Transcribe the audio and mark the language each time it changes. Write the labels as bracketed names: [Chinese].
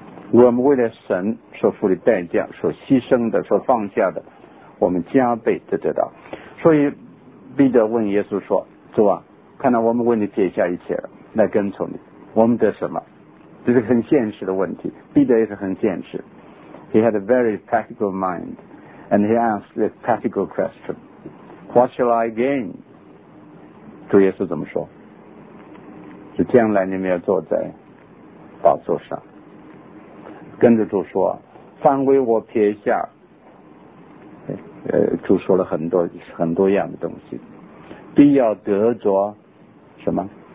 [Chinese] 我们为了神所付的代价，所牺牲的，所放下的，我们加倍的得到。所以彼得问耶稣说，主啊，看到我们为你撇下一切了来跟从你，我们得什么？这是很现实的问题。彼得也是很现实。 [English] He had a very practical mind, and he asked this practical question, What shall I gain? [Chinese] 主耶稣怎么说？是将来你们要坐在宝座上。跟着主说，凡为我撇下，主说了很多很多样的东西，必要得着什么？